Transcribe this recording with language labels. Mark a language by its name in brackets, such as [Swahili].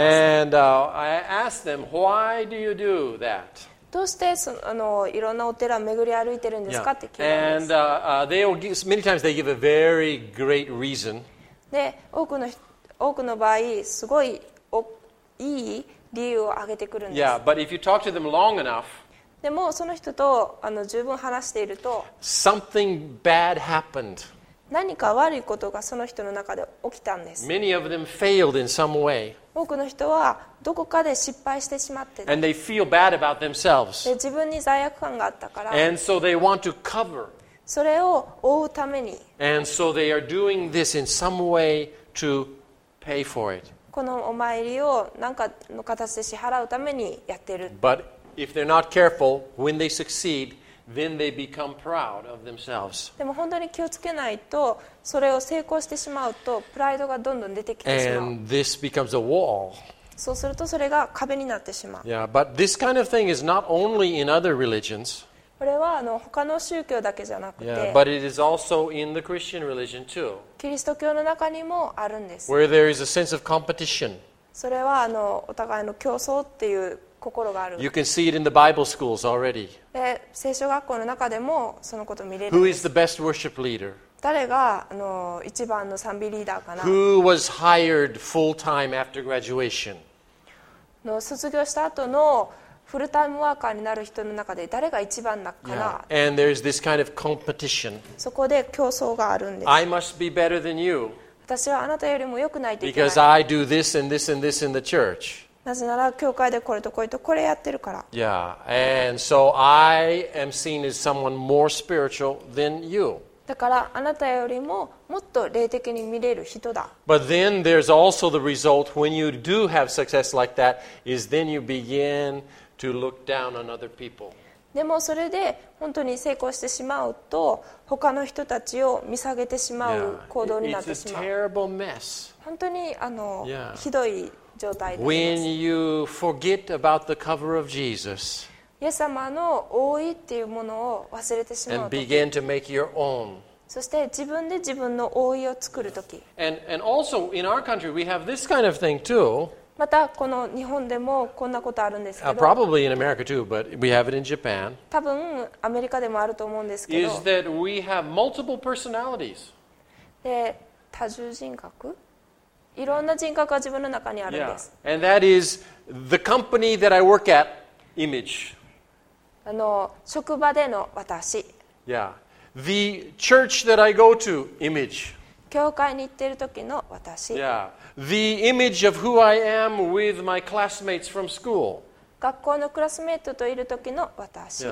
[English] And I asked them, why do you do that? [Japanese] どうしてそのいろんなお寺を巡り歩いてるんですか、 yeah. って聞いたんです。 [English] And many times they give a very great reason. [Japanese] で、多くの場合、すごいいい理由を挙げてくるんです。 [English] Yeah, but if you talk to them long enough, [Japanese] でもその人と十分話していると、 [English] something bad happened. [Japanese] 何か悪いことがその人の中で起きたんです。 [English] Many of them failed in some way. [Japanese] 多くの人はどこかで失敗してしまって、 [English] And they feel bad about themselves. [Japanese] で自分に罪悪感があったから、 [English] And so they want to cover. [Japanese] それを覆うために、 [English] And so they are doing this in some way to pay for it. [Japanese] このお参りを何かの形で支払うためにやってる。 [English] But if they're not careful, when they succeed, then they become proud of themselves. [Japanese] でも本当に気をつけないと、それを成功してしまうと、プライドがどんどん出てきてしまう。 [English] And this becomes a wall. [Japanese] そうするとそれが壁になってしまう。 [English] Yeah, but this kind of thing is not only in other religions. [Japanese] これは他の宗教だけじゃなくて、 [English] yeah, but it is also in the Christian religion too. [Japanese] キリスト教の中にもあるんです。 [English] Where there is a sense of competition. [Japanese] それはお互いの競争っていう心がある。 [English] You can see it in the Bible schools already. [Japanese] 聖書学校の中でもそのことを見れるんです [English] Who is the best worship leader? [Japanese] 誰が一番の賛美リーダーかな。 [English] Who was hired full time after graduation? [Japanese] 卒業した後のフルタイムワーカーになる人の中で誰が一番なかな、 yeah. [English] And there's this kind of competition. [Japanese] そこで競争があるんです。 [English] I must be better than you. [Japanese] 私はあなたよりも良くないといけない。 [English] Because I do this and this and this in the church. [Japanese] なぜなら教会でこれとこれとこれやってるから。 Yeah. [English] And so I am seen as someone more spiritual than you. [Japanese] だからあなたよりももっと霊的に見れる人だ。 [English] But then there's also the result when you do have success like that is then you begin. To look down on other people. [Japanese] でもそれで本当に成功してしまうと他の人たちを見下げてしまう行動になってしまう。 [English] It's a terrible mess. [Japanese] 本当にyeah. ひどい状態です。 [English] When you forget about the cover of Jesus, [Japanese] イエス様の覆いっていうものを忘れてしまう [English] and begin to make your own. [Japanese] そして自分で自分の覆いを作るとき。 [English] And also in our country we have this kind of thing too. [Japanese] またこの日本でもこんなことあるんですけど、 [English] probably in America too, but we have it in Japan. [Japanese] 多分アメリカでもあると思うんですけど、 [English] is that we have multiple personalities. [Japanese] で、多重人格？いろんな人格が自分の中にあるんです。 Yeah. [English] And that is the company that I work at image. [Japanese] 職場での私。 Yeah. [English] The church that I go to image. [Japanese] 教会に行っている時の私。 Yeah. [English] The image of who I am with my classmates from school. [Japanese] 学校のクラスメートといる時の私。